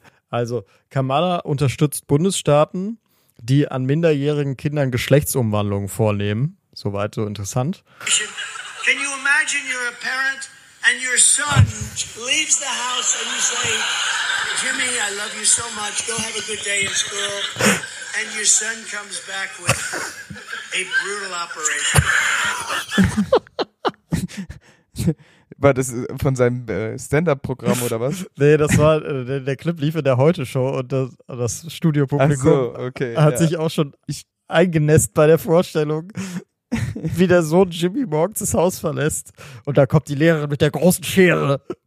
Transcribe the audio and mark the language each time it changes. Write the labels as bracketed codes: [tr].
[de] Also, Kamala unterstützt Bundesstaaten, die an minderjährigen Kindern Geschlechtsumwandlungen vornehmen. Soweit so interessant. [en] Can you imagine you're a parent and your son leaves the house and you say, Jimmy, I love you so much, go have a good day in school. And your son comes back with a brutal operation. [de] War das von seinem Stand-Up-Programm oder was? Nee, das war, der Clip lief in der Heute-Show und das Studiopublikum so, okay, hat sich auch schon eingenässt bei der Vorstellung, wie der Sohn Jimmy morgens das Haus verlässt und da kommt die Lehrerin mit der großen Schere.